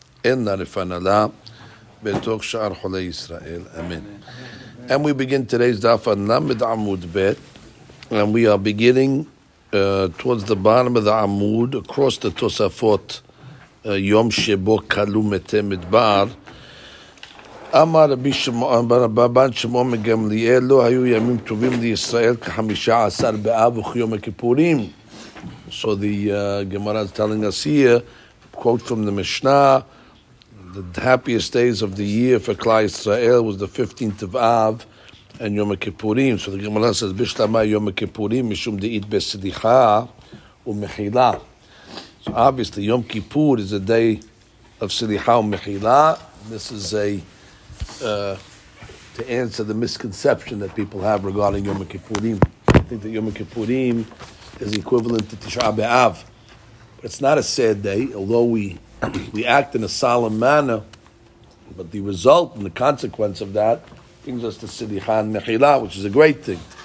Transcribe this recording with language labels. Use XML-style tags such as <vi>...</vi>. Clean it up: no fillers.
<he>En Narifanala, Betok Sha'ar Hulei Yisrael, Amen.</he> <en>And we begin today's Dafan Lamed Amud Bet. And we are beginning towards the bottom of the Amud, across the Tosafot, Yom Shebo Kalumete Midbar.</en> <he>אמר רבי שמעון בן רבן שמעון מגמליאל לא היו ימים טובים לישראל כחמישה עשר באב וכיום הכיפורים.</he> <en>So the Gemara is telling us here, quote from the Mishnah, the happiest days of the year for Klal Yisrael was the 15th of Av and Yom Kippurim. So the Gemara says,</en> <he>בשלמה יום הכיפורים משום דעית בסליחה ומחילה.</he> <en>So obviously Yom Kippur is a day of</en> <he>סליחה ומחילה.</he> <en>This is a to answer the misconception that people have regarding Yom Kippurim. I think that Yom Kippurim is equivalent to Tisha B'Av. But it's not a sad day, although we act in a solemn manner, but the result and the consequence of that brings us to Siddicha and Mechila, which is a great thing.</en>